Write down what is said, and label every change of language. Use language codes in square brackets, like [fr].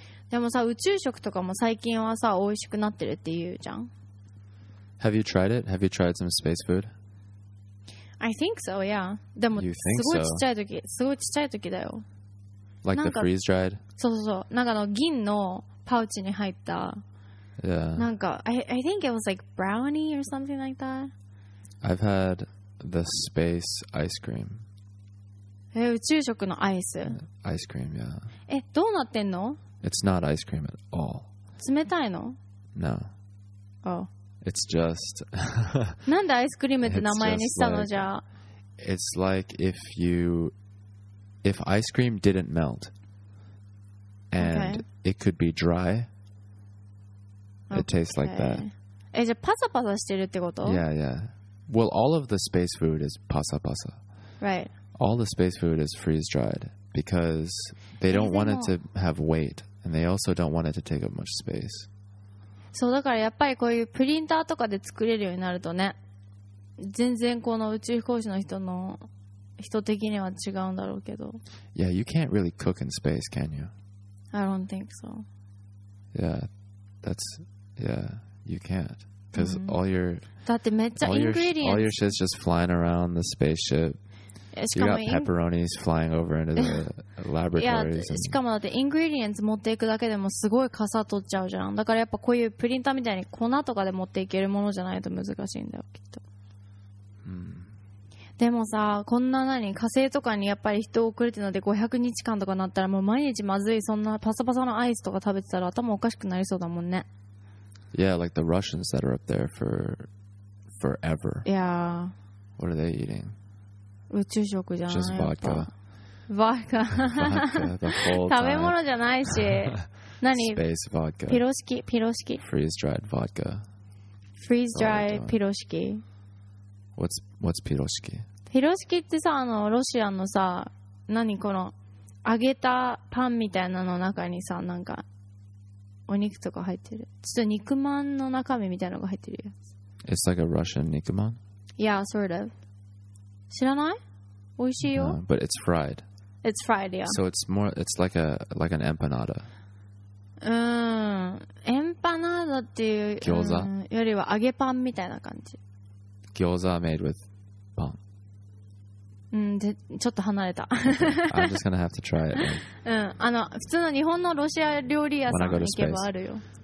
[ja] でもさ、宇宙食とかも最近はさ、美味しくなってるって言うじゃん。 [en] Have you tried it? Have you tried some space food? I think so, yeah. [ja] でも、すごいちっちゃい時だよ。 [en] Like the freeze-dried? [ja] そうそうそう。なんかの銀のパウチに入った。 [en] Yeah. I think it was like brownie or something like that. I've had the space ice cream. [ja] え、宇宙食のアイス? [en] Ice cream, yeah. [ja] え、どうなってんの? [en] It's not ice cream at all. [ja] 冷たいの? [en] No. Oh. It's just... [ja] なんでアイスクリームって名前にしたのじゃ? [en] It's like if you... If ice cream didn't melt, and okay. it could be dry, it okay. tastes like that. [ja] え、じゃあパサパサしてるってこと? [en] Yeah, yeah. Well, all of the space food is pasa pasa. Right. All the space food is freeze-dried, because they don't want it to have weight, and they also don't want it to take up much space. [ja] そうだからやっぱりこういうプリンターとかで作れるようになるとね全然この宇宙飛行士の人の人的には違うんだろうけど [en] Yeah, you can't really cook in space, can you? I don't think so Yeah, that's... Yeah, you can't Because、mm-hmm. all your... [ja] だってめっちゃ ingredients [en] all your shit's just flying around the spaceship You got pepperonis flying over into the laboratories. [ja] しかもだって ingredients 持っていくだけでもすごいかさ取っちゃうじゃん。だからやっぱこういうプリンターみたいに粉とかで持っていけるものじゃないと難しいんだよきっと。でもさ、こんな何火星とかにやっぱり人を送るってので500日間とかなったらもう毎日まずいそんなパサパサのアイスとか食べてたら頭おかしくなりそうだもんね。 [en] Yeah, like the Russians that are up there for forever. Yeah. What are they eating? [ja] 宇宙食じゃない [en] Just vodka. Vodka. vodka the whole time. [ja] 食べ物じゃないし。何? [en] Space vodka. [ja] ピロシキ、ピロシキ。 [en] Freeze dried vodka. Freeze dried [ja] ピロシキ。 [en] What's ピロシキ? [ja] ピロシキってさ、あの、ロシアのさ、何この、揚げたパンみたいなの中にさ、なんか、お肉とか入ってる。ちょっと肉まんの中身みたいなのが入ってるやつ。 [en] It's like a Russian 肉まん? Yeah, sort of. [ja] 知らない?美味しいよ。 [en] No, but it's fried. It's fried, yeah. So it's more, it's like a, like an empanada. [ja] Empanada っていう餃子よりは揚げパンみたいな感じ。 [en] 餃子 made with [ja] パン。で、ちょっと離れた。 [en] I'm just gonna have to try it. [ja] あの、普通の日本のロシア料理屋さんに行けばあるよ。